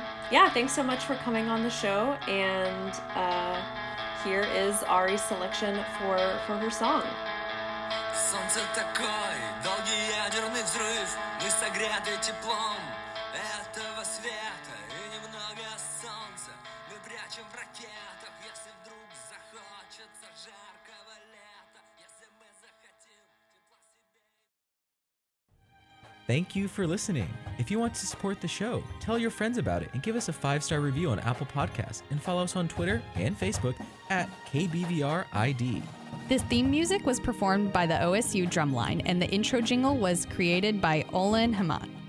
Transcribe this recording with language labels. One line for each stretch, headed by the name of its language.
English: yeah, thanks so much for coming on the show. And here is Ari's selection for her song.
Russian: Солнце такой, долгий ядерный взрыв, не согретый теплом этого света и немного солнца, мы прячем в ракетах, если вдруг захочется жаркого лета, если мы захотим тепла себе.
English: Thank you for listening. If you want to support the show, tell your friends about it and give us a 5-star review on Apple Podcasts and follow us on Twitter and Facebook at KBVRID. This theme music was performed by the OSU Drumline, and the intro jingle was created by Olin Hamad.